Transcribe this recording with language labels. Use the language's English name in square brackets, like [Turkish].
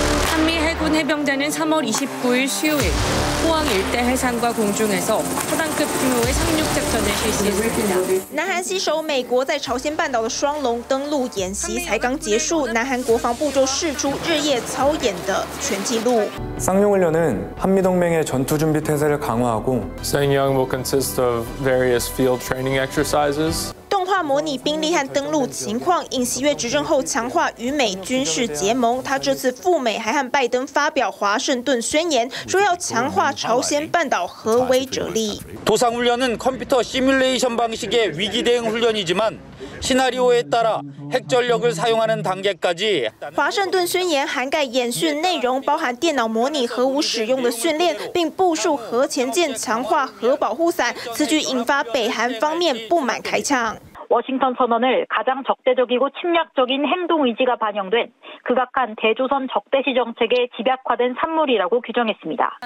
[Korean] 한미해군해병대는3월29일수요일포항일대해상과공중에서초당급규모의상륙작전을실시했습니다。 [Chinese] 南韩携手美国在朝鲜半岛的双龙登陆演习才刚结束，南韩国防部就释出日夜操演的全记录。 [Korean] 상륙훈련은한미동맹의전투준비태세를강화하고 [English] Sanyang will consist of various field training exercises. [Chinese] 动画模拟兵力和登陆情况，尹锡悦执政后强化与美军事结盟，他这次赴美还和拜登发表华盛顿宣言，说要强化朝鲜半岛核威慑力。 [Korean] 도상훈련은컴퓨터시뮬레이션방식의위기대응훈련이지만시나리오에따라핵전력을사용하는단계까지 [Chinese] 华盛顿宣言涵盖演训内容，包含电脑模拟核武使用的训练，并部署核潜舰强化核保护伞，此举引发北韩方面不满开枪。 [Korean] 워싱턴선언을가장적대적이고침략적인행동의지가반영된극악한대조선적대시정책의집약화된산물이라고규정했습니다